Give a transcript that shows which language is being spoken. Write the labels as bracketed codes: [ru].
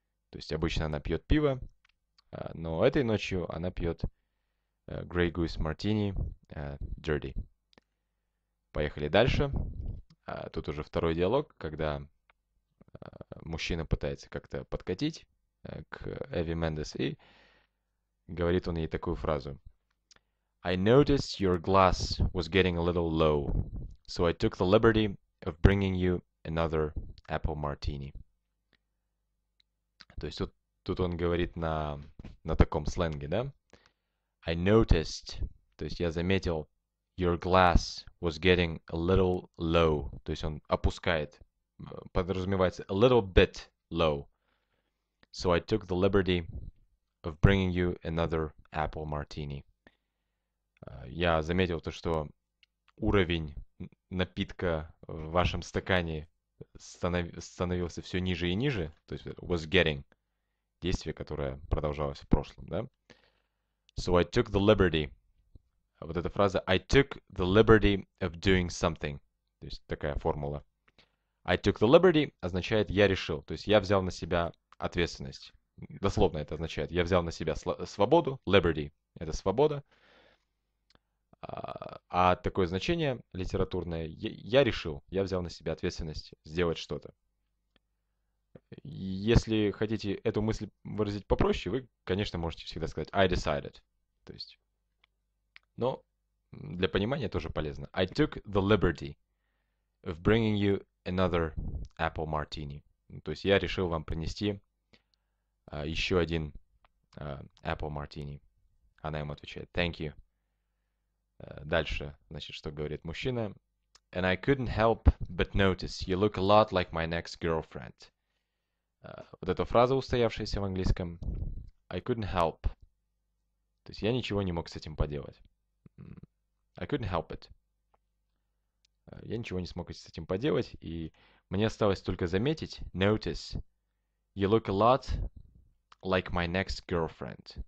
[ru] То есть обычно она пьет пиво, но этой ночью она пьет Grey Goose Martini Dirty. Поехали дальше. Тут уже второй диалог, когда мужчина пытается как-то подкатить к Эви Мендес, и говорит он ей такую фразу. [en] I noticed your glass was getting a little low, so I took the liberty of bringing you another apple martini. [ru] То есть тут он говорит на таком сленге, да? [en] I noticed, [ru] то есть я заметил, [en] your glass was getting a little low. [ru] То есть он опускает, подразумевается, [en] a little bit low. So I took the liberty of bringing you another apple martini. [ru] Я заметил то, что уровень напитка в вашем стакане становился все ниже и ниже. То есть [en] was getting, [ru] действие, которое продолжалось в прошлом, да? [en] So I took the liberty. [ru] Вот эта фраза [en] I took the liberty of doing something. [ru] То есть такая формула. [en] I took the liberty [ru] означает я решил. То есть я взял на себя ответственность. Дословно это означает я взял на себя свободу. Liberty – это свобода. А такое значение литературное я решил. Я взял на себя ответственность сделать что-то. Если хотите эту мысль выразить попроще, вы, конечно, можете всегда сказать [en] I decided. [ru] То есть... Но для понимания тоже полезно. [en] I took the liberty of bringing you another apple martini. [ru] То есть я решил вам принести еще один apple martini. Она ему отвечает. [en] Thank you. [ru] Дальше, значит, что говорит мужчина. [en] And I couldn't help but notice you look a lot like my next girlfriend. [ru] Вот эта фраза, устоявшаяся в английском. [en] I couldn't help. [ru] То есть я ничего не мог с этим поделать. [en] I couldn't help it. [ru] Я ничего не смог с этим поделать, и мне осталось только заметить, [en] notice, you look a lot like my next girlfriend.